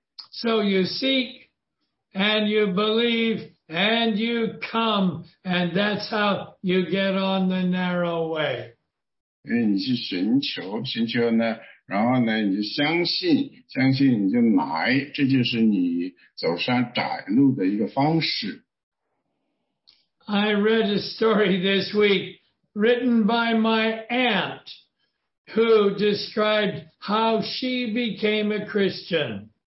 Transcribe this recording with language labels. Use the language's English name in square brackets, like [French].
[English] So you seek and you believe and you come, and that's how you get on the narrow way. [Chinese] 因为你去寻求，寻求呢，然后呢，你就相信，相信你就来，这就是你走上窄路的一个方式。 [English] I read a story this week written by my aunt who described how she became a Christian.